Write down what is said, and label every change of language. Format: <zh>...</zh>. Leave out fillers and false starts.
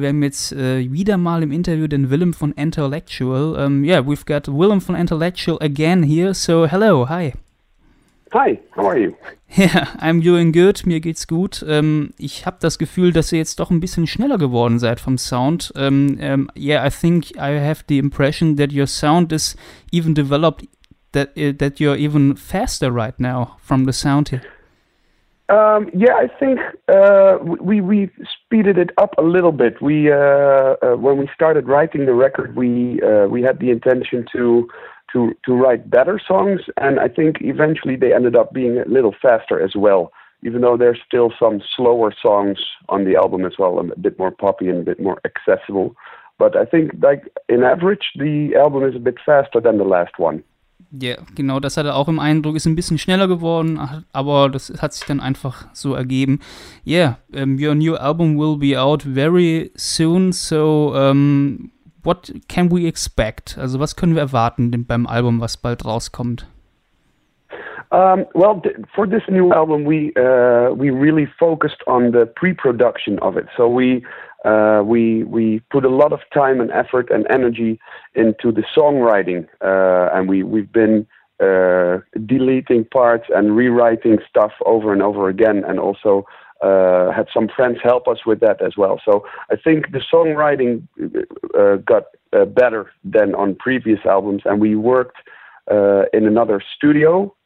<de>Wir haben jetzt wieder mal im Interview den Willem von Intellectual.</de> <en>We've got Willem von Intellectual again here. So, hello, hi. Hi, how are you? Yeah, I'm doing good,</en> <de>mir geht's gut. Ich habe das Gefühl, dass ihr jetzt doch ein bisschen schneller geworden seid vom Sound.</de> <en>I think I have the impression that your sound is even developed, that you're even faster right now from the sound here. I think we speeded it up a little bit. When we started writing the record, we had the intention to write better songs, and I think eventually they ended up being a little faster as well, even though there's still some slower songs on the album as well, and a bit more poppy and a bit more accessible. But I think, like, in average, the album is a bit faster than the last one.</en> <de>Ja, yeah, genau, das hatte auch im Eindruck, ist ein bisschen schneller geworden, aber das hat sich dann einfach so ergeben.</de> <en>Yeah, your new album will be out very soon, so what can we expect?</en> <de>Also was können wir erwarten denn beim Album, was bald rauskommt?</de> <en>For this new album, we really focused on the pre-production of it. So we put a lot of time and effort and energy into the songwriting, and we've been deleting parts and rewriting stuff over and over again, and also had some friends help us with that as well. So I think the songwriting got better than on previous albums, and we worked in another studio.</en>